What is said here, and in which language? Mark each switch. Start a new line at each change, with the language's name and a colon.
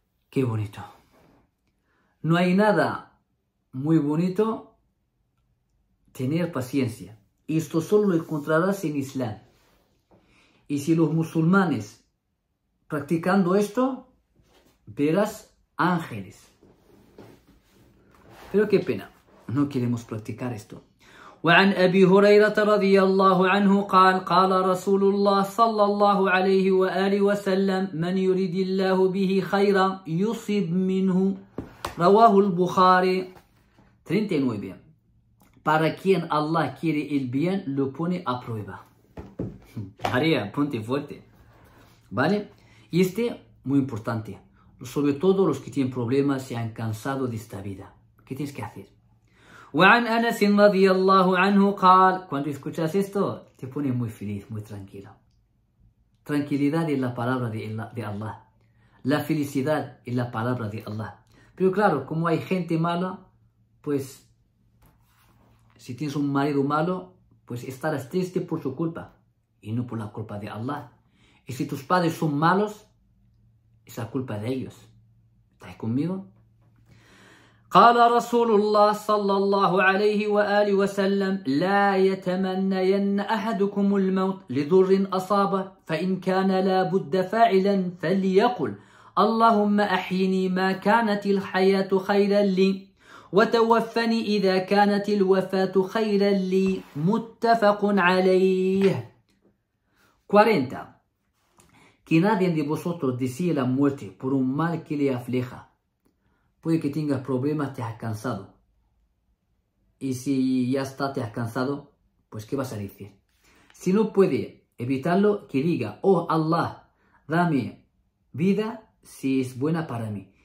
Spanish: ¡Qué bonito! No hay nada muy bonito tener paciencia. Esto solo lo encontrarás en Islam. Y si los musulmanes practicando esto, verás ángeles. Pero qué pena, no queremos practicar esto.
Arabic: وعن أبي هريرة رضي الله عنه قال قال رسول الله صلى الله عليه وآله وسلم من يريد الله به خيرا يصب منه رواه البخاري
Spanish: 39 Para quien Allah quiere el bien lo pone a prueba. María, ponte fuerte. ¿Vale? Y este, muy importante. Sobre todo los que tienen problemas y han cansado de esta vida. ¿Qué tienes que hacer?
Arabic: وعن أنس رضي الله عنه قال
Spanish: Cuando escuchas esto, te pones muy feliz, muy tranquilo. Tranquilidad es la palabra de Allah. La felicidad es la palabra de Allah. Pero claro, como hay gente mala, pues si tienes un marido malo, pues estarás triste por su culpa y no por la culpa de Allah. Y si tus padres son malos, es la culpa de ellos. ¿Estás conmigo?
Arabic: قال رسول الله صلى الله عليه وآله وسلم لا يتمنين أحدكم الموت لضر أصابه فإن كان لابد فاعلا فليقل اللهم أحيني ما كانت الحياة خيرا لي وتوفني إذا كانت الوفاة خيرا لي متفق عليه
Spanish: 40 Que nadie de vosotros desee la muerte por un mal que le aflija. Puede que tengas problemas, te has cansado. Y si ya está, te has cansado, pues ¿qué vas a decir? Si no puede evitarlo, que diga, oh Allah, dame vida si es buena para mí.